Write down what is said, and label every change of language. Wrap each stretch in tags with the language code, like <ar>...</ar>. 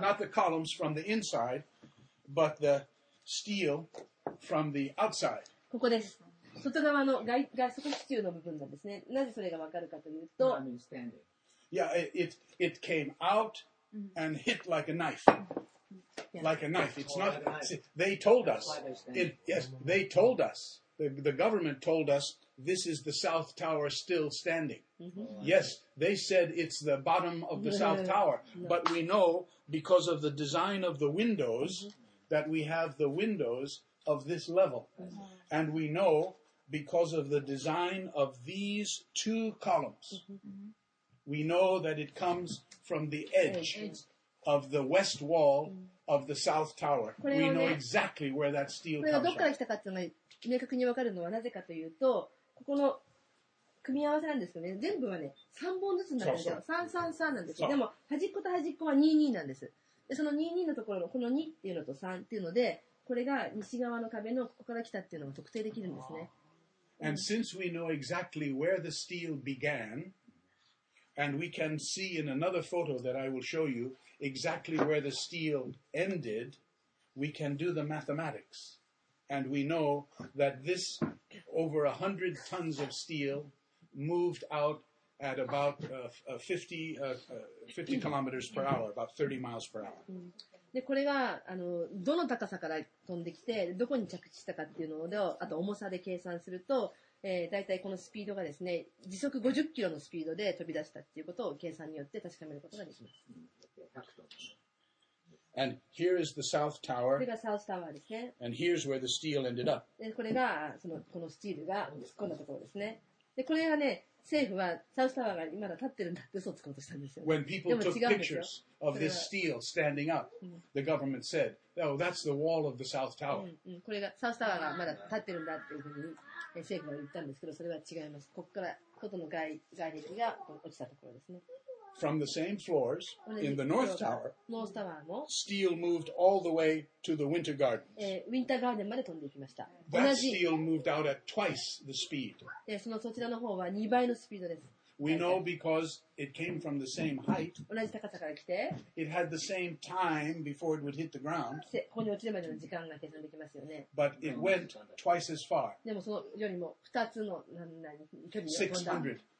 <en>Not the columns from the inside, but the steel from the outside.</en> <ja>ここです。外側の外側支柱の部分なんですね。なぜそれがわかるかというと、</ja> <en>Yeah, it came out and hit like a knife. Like a knife. It's not. They told us. They told us. The government told us. This is the South Tower still standing. Mm-hmm. Yes, they said it's the bottom of the South Tower. But we know because of the design of the windows that we have the windows of this level. And we know because of the design of these two columns, we know that it comes from the edge of the west wall of the South Tower. We know exactly where that steel comes from.</en> <ja>これがどっから来たかっていうのが明確に分かるのはなぜかというと、ここの組み合わせなんですよね。全部はね、3本ずつになるんですよ。333なんですよ。でも、端っこと端っこは22なんです。で、その22のところの、この2っていうのと3っていうので、これが西側の壁のここから来たっていうのが特定できるんですね。</ja> <en>And since we know exactly where the steel began, and we can see in another photo that I will show you exactly where the steel ended, we can do the mathematics. And we know that this... Over 100 tons of steel moved out at about 50 kilometers per hour, about 30 miles per hour.</en> <ja>で、これがどの高さから飛んできて、どこに着地したかっていうのを、あと重さで計算すると、だいたいこのスピードがですね、時速50キロのスピードで飛び出したっていうことを計算によって確かめることができます。</ja> <en>And here is the South Tower.</en> <ja>これが South Tower ですね。</ja> <en>And here's where the steel ended up.</en> <ja>で、これがこのスチールが突っ込んだところですね。で、これはね、政府は South Tower が今だ立ってるんだって嘘をつこうとしたんですよ。</ja> <en>When people took pictures of this steel standing up, the government said, oh, that's the wall of the South Tower.</en> <ja>これが South Tower がまだ立ってるんだっていうふうに政府は言ったんですけど、それは違います。ここから外の外壁が落ちたところですね。</ja> <en>From the same floors in the North Tower,</en> <ja>North Tower の</ja> <en>steel moved all the way to the Winter Gardens.</en> <ja>ウィンターガーデンまで飛んでいきました。</ja> <en>That steel moved out at twice the speed.</en> <ja>そちらの方は2倍のスピードです。</ja> <en>We know because it came from the same height.</en> <ja>同じ高さから来て。</ja> <en>It had the same time before it would hit the ground.</en> <ja>ここに落ちるまでの時間が計算できますよね。</ja> <en>But it went twice as far.</en> <ja>でもそのよりも2つの何距離飛んだ。</ja>